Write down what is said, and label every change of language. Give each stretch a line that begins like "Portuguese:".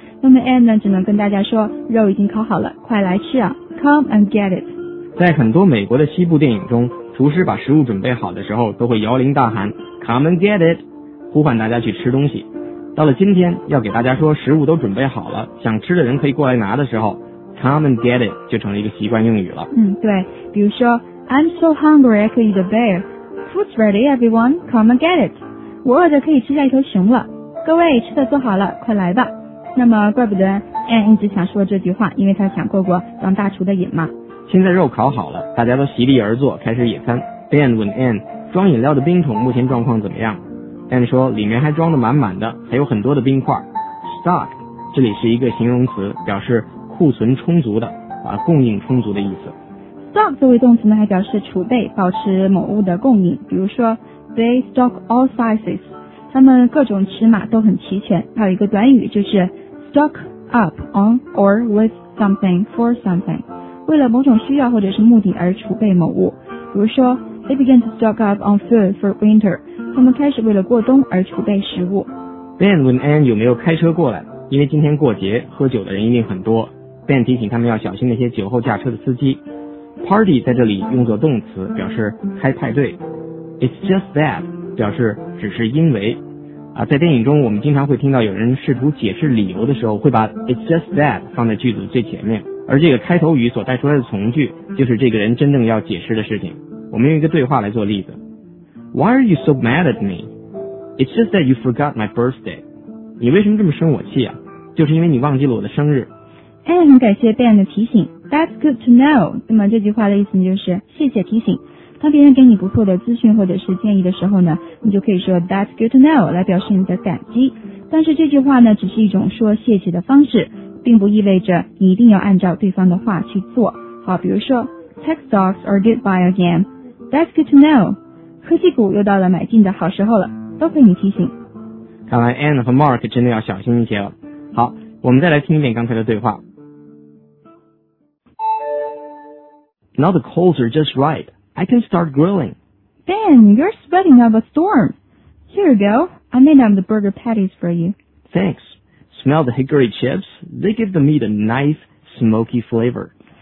Chinese: 那么 Ann 呢只能跟大家说肉已经烤好了，快来吃啊，
English: come and get it。
Chinese: 在很多美国的西部电影中，厨师把食物准备好的时候都会摇铃大喊
English: come and get it，
Chinese: 呼唤大家去吃东西。到了今天要给大家说食物都准备好了，想吃的人可以过来拿的时候，
English: come and get it
Chinese: 就成了一个习惯用语了。对，比如说
English: I'm so hungry I could eat a bear。 Food's ready, everyone. Come and get it.
Chinese: 我饿得可以吃下一头熊了。各位，吃的做好了，快来吧。那么，怪不得 Ann 一直想说这句话，因为他想过过当大厨的瘾嘛。现在肉烤好了，大家都席地而坐，开始野餐。Ben 问 Ann， 装饮料的冰桶目前状况怎么样？ Ann 说，里面还装得满满的，还有很多的冰块。Stock 这里是一个形容词，表示库存充足的，供应充足的意思。 Stock 作为动词呢，还表示储备，保持某物的供应。比如说 ，
English: They stock all sizes，
Chinese: 他们各种尺码都很齐全。还有一个短语就是
English: stock up on or with something for something，
Chinese: 为了某种需要或者是目的而储备某物。比如说 ，
English: They began to stock up on food for winter，
Chinese: 他们开始为了过冬而储备食物。 Ben 问 Ann 有没有开车过来，因为今天过节，喝酒的人一定很多。 Ben 提醒他们要小心那些酒后驾车的司机。Party 在这里用作动词，表示开派对。
English: It's just that
Chinese: 表示只是因为。在电影中我们经常会听到有人试图解释理由的时候，会把
English: It's just that
Chinese: 放在句子最前面，而这个开头语所带出来的从句就是这个人真正要解释的事情。我们用一个对话来做例子。
English: Why are you so mad at me? It's just that you forgot my birthday.
Chinese: 你为什么这么生我气啊？就是因为你忘记了我的生日。哎，很感谢 Ben 的提醒。
English: That's good to know。
Chinese: 那么这句话的意思就是谢谢提醒。当别人给你不错的资讯或者是建议的时候呢，你就可以说
English: That's good to know
Chinese: 来表示你的感激。但是这句话呢只是一种说谢谢的方式，并不意味着你一定要按照对方的话去做。好，比如说
English: tech stocks are good buy again. That's good to know.
Chinese: 科技股又到了买进的好时候了，都被你提醒。看来 Anne 和 Mark 真的要小心一些了。好，我们再来听一遍刚才的对话。
English: Now the coals are just right. I can start grilling. Ben, you're sweating up a storm. Here you go. I made up the burger patties for you. Thanks. Smell the hickory chips. They give the meat a nice, smoky flavor.